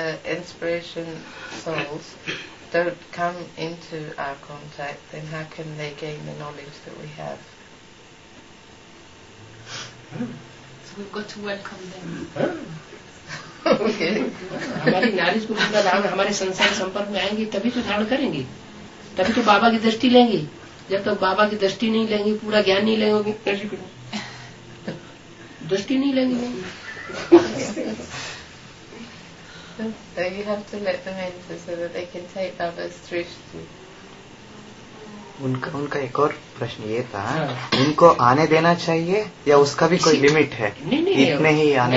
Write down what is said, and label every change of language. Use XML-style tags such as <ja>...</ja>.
<en>inspiration souls don't come into our contact, then how can they gain the knowledge that we have? So we've got to welcome them.</en> <hi>हमारी knowledge को पूरा धारण हमारे संसार संपर्क में आएंगे तभी तो धारण करेंगे तभी तो बाबा की दृष्टि लेंगे जब तक बाबा की दृष्टि नहीं लेंगे पूरा ज्ञान नहीं लेंगे दृष्टि नहीं लेंगे</hi> <en>So you have to let them enter so that they can take Baba's drishti.</en> <hi>उनका उनका एक और प्रश्न ये था उनको आने देना चाहिए या उसका भी कोई लिमिट है इतने ही आने</hi>